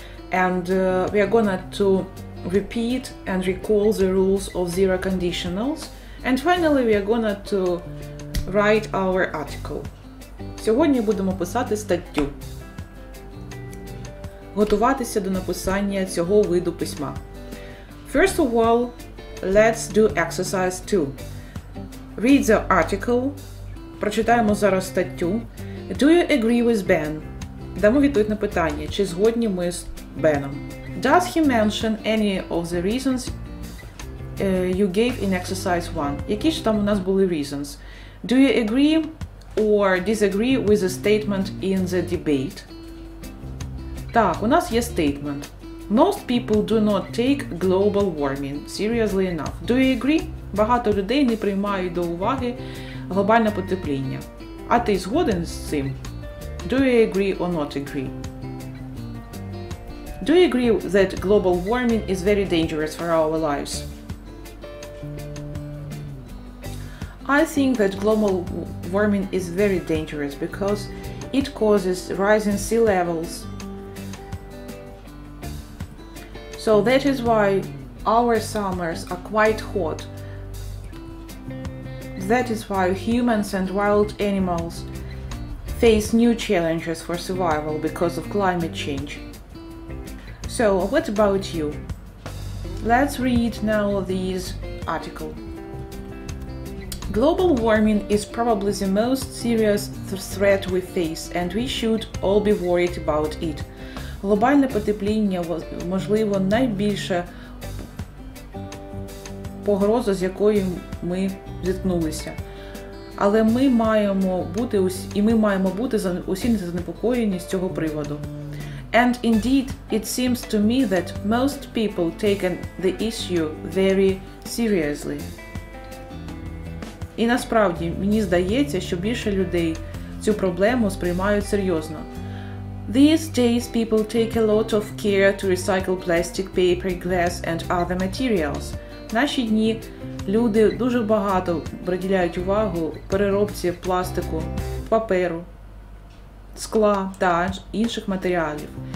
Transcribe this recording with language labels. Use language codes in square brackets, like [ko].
[en] And we are going to repeat and recall the rules of zero conditionals. And finally, we are going to write our article. [uk] Сьогодні будемо писати статтю. Готуватися до написання цього виду письма. [en] First of all, let's do exercise 2. Read the article. [uk] Прочитаємо зараз статтю. [en] Do you agree with Ben? [uk] Дамо відповідь на питання, чи згодні ми з Беном. [en] Does he mention any of the reasons you gave in exercise 1? [uk] Які ж там у нас були reasons? [en] Do you agree or disagree with the statement in the debate? [uk] Так, у нас є [en] statement. Most people do not take global warming seriously enough. Do you agree? [uk] Багато людей не приймають до уваги глобальне потепління. А ти згоден з цим? [en] Do you agree or not agree? Do you agree that global warming is very dangerous for our lives? I think that global warming is very dangerous because it causes rising sea levels. So that is why our summers are quite hot. That is why humans and wild animals face new challenges for survival because of climate change. So what about you? Let's read now this article. Global warming is probably the most serious threat we face, and we should all be worried about it. [uk] Глобальне потепління, можливо, найбільша погроза, з якою ми зіткнулися. Але ми маємо бути усі занепокоєні з цього приводу. [en] And indeed, it seems to me that most people take the issue very seriously. [uk] І насправді, мені здається, що більше людей цю проблему сприймають серйозно. [en] These days people take a lot of care to recycle plastic, paper, glass and other materials. [uk] В наші дні люди дуже багато приділяють увагу переробці пластику, паперу, скла та інших матеріалів.